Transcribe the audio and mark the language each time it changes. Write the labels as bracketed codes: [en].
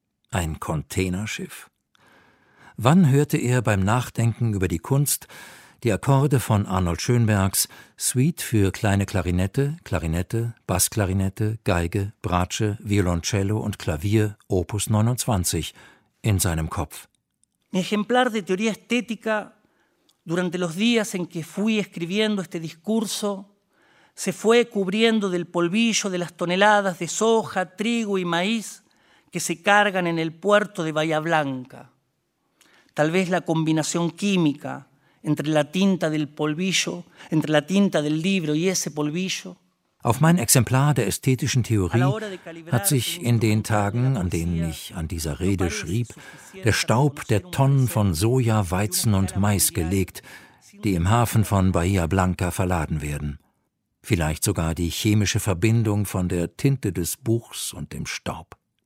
[de] Ein Containerschiff? Wann hörte er beim Nachdenken über die Kunst die Akkorde von Arnold Schönbergs Suite für kleine Klarinette, Klarinette, Bassklarinette, Geige, Bratsche, Violoncello und Klavier, Opus 29, in seinem Kopf? [es] Ejemplar de teoría estética, durante los días en que fui escribiendo este discurso, se fue cubriendo del polvillo de las toneladas de soja, trigo y maíz que se cargan en el puerto de Bahía Blanca. Tal vez la combinación química entre la tinta del polvillo, entre la tinta del libro y ese polvillo. [de] Auf mein Exemplar der ästhetischen Theorie hat sich in den Tagen, an denen ich an dieser Rede schrieb, der Staub der Tonnen von Soja, Weizen und Mais gelegt, die im Hafen von Bahía Blanca verladen werden. Vielleicht sogar die chemische Verbindung von der Tinte des Buchs und dem Staub.